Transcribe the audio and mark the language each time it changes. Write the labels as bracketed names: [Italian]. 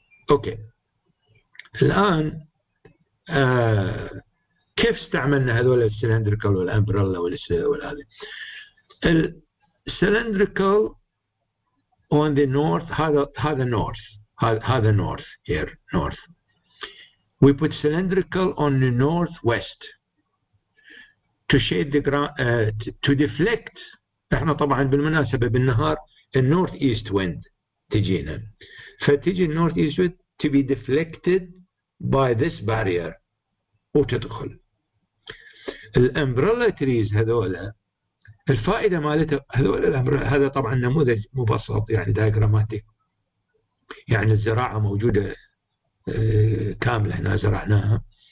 [Arabic] أوكي، الآن كيف استعملنا هذول السيلندريكال والأمبرلا والهذه؟ السيلندريكال [English] on the north، [Arabic] هذا north، هذا [English] north here north. We put cylindrical on the northwest to shade the ground to deflect. [Arabic] احنا طبعا بالمناسبه بالنهار النورث ايست ويند تجينا، فتجي النورث ايست ويند [English] to be deflected by this barrier [Arabic] وتدخل. الامبريلا تريز هذول الفائده مالته هذول الامبريلا، هذا طبعا نموذج مبسط يعني دايجراماتيك، يعني الزراعه موجوده كامله هنا زرعناها.